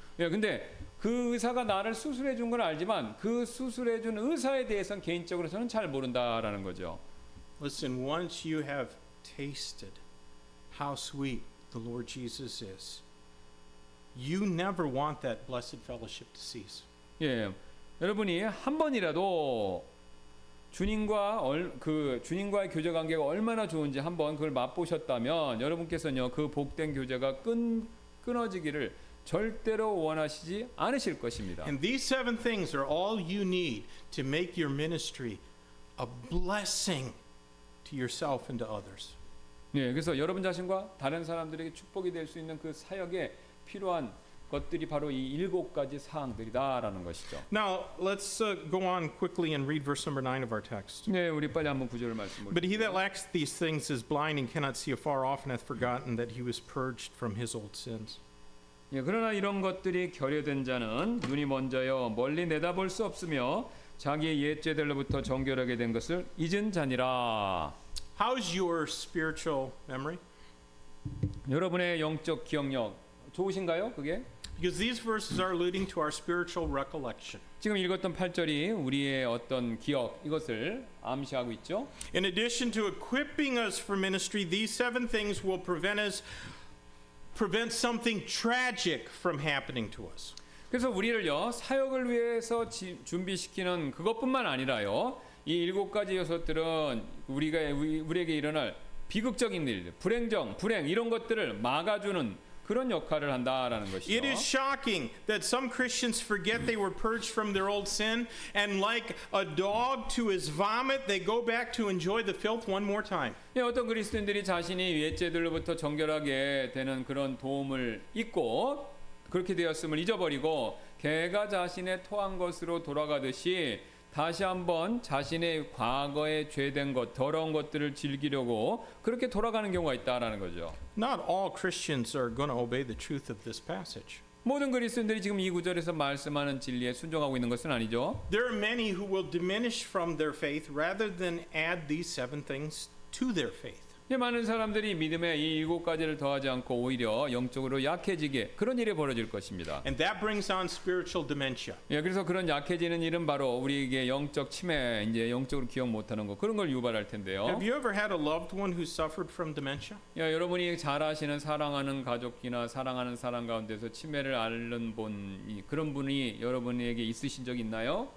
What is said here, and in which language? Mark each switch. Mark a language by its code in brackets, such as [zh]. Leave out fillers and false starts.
[ko] 예, 근데 그 의사가 나를 수술해 준 건 알지만 그 수술해 준 의사에 대해서는 개인적으로 저는 잘 모른다라는 거죠. [en] Listen, once you have tasted how sweet the Lord Jesus is. You never want that blessed fellowship to cease. [ko] 예, 여러분이 한 번이라도 주님과 그 주님과의 교제 관계가 얼마나 좋은지 한번 그걸 맛보셨다면 여러분께서는요 그 복된 교제가 끊어지기를 절대로 원하시지 않으실 것입니다. [en] And these seven things are all you need to make your ministry a blessing to yourself and to others. [ko] 예, 그래서 여러분 자신과 다른 사람들에게 축복이 될 수 있는 그 사역에 필요한 것들이 바로 이 일곱 가지 사항들이다라는 것이죠. [en] Now let's go on quickly and read verse number 9 of our text. [ko] 네, 우리 빨리 한번 구절을 말씀을. [en] But he that lacks these things is blind and cannot see afar off and hath forgotten that he was purged from his old sins. [ko] 예, 그러나 이런 것들이 결여된 자는 눈이 먼저여 멀리 내다볼 수 없으며 자기의 옛 죄들로부터 정결하게 된 것을 잊은 자니라. [en] How's your spiritual memory? [ko] 여러분의 영적 기억력 좋으신가요, 그게? [en] Because these verses are alluding to our spiritual recollection. [ko] 지금 읽었던 8절이 우리의 어떤 기억 이것을 암시하고 있죠. [en] In addition to equipping us for ministry, these seven things will prevent something tragic from happening to us. [ko] 그래서 우리를요 사역을 위해서 준비시키는 그것뿐만 아니라요 이 일곱 가지 요소들은 우리에게 일어날 비극적인 일, 불행 이런 것들을 막아주는. 그런 역할을 한다라는 것이죠. [en] It is shocking that some Christians forget they were purged from their old sin and like a dog to his vomit they go back to enjoy the filth one more time. [ko] 예, 어떤 그리스도인들이 자신이 옛죄들로부터 정결하게 되는 그런 도움을 잊고 그렇게 되었음을 잊어버리고 개가 자신의 토한 것으로 돌아가듯이 다시 한번 자신의 과거에 죄된 것, 더러운 것들을 즐기려고 그렇게 돌아가는 경우가 있다라는 거죠. [en] Not all Christians are going to obey the truth of this passage. [ko] 모든 그리스도인들이 지금 이 구절에서 말씀하는 진리에 순종하고 있는 것은 아니죠. [en] There are many who will diminish from their faith rather than add these seven things to their faith. [ko] 예, 많은 사람들이 믿음에 이 일곱 가지를 더하지 않고 오히려 영적으로 약해지게 그런 일이 벌어질 것입니다. [en] And that brings on spiritual dementia. [ko] 예, 그래서 그런 약해지는 일은 바로 우리에게 영적 치매, 이제 영적으로 기억 못하는 것 그런 걸 유발할 텐데요. [en] Have you ever had a loved one who suffered from dementia? [ko] 예, 여러분이 잘 아시는 사랑하는 가족이나 사랑하는 사람 가운데서 치매를 앓는 분 그런 분이 여러분에게 있으신 적 있나요?